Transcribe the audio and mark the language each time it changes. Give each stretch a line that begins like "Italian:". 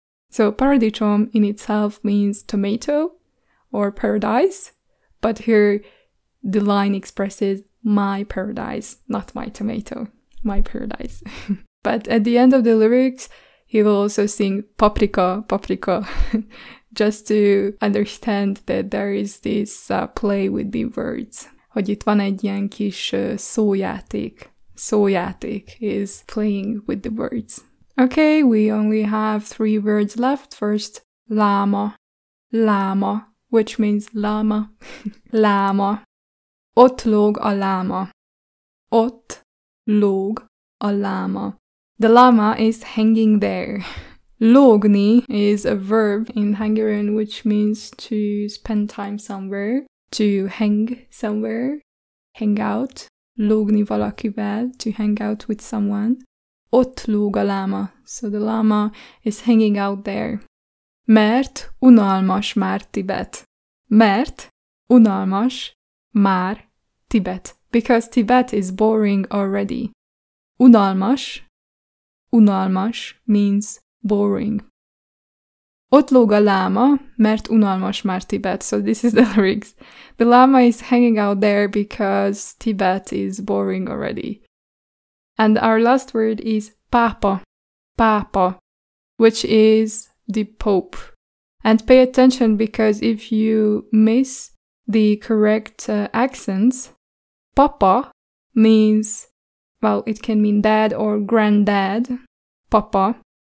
English: So paradicsom in itself means tomato or paradise, but here the line expresses my paradise, not my tomato, my paradise. But at the end of the lyrics, he will also sing paprika, paprika, just to understand that there is this play with the words.
Hungarian: Hogy itt van egy ilyen kis szójáték.
English: Szójáték is playing with the words. Okay, we only have 3 words left. First, láma, láma, which means llama, láma.
Hungarian: Ott lóg a láma. Ott lóg a láma.
English: The llama is hanging there. Lógni is a verb in Hungarian, which means to spend time somewhere, to hang somewhere, hang out.
Hungarian: Lógni valakivel,
English: to hang out with someone.
Hungarian: Ott lóg a láma.
English: So the llama is hanging out there.
Hungarian: Mert unalmas már Tibet. Mert unalmas már Tibet.
English: Because Tibet is boring already. Unalmas. Unalmas means boring.
Hungarian: Ott lóg a láma, mert unalmas már Tibet.
English: So this is the lyrics. The llama is hanging out there because Tibet is boring already. And our last word is pápa. Pápa. Which is the Pope. And pay attention, because if you miss the correct accents, papa means, well, it can mean dad or granddad, papa.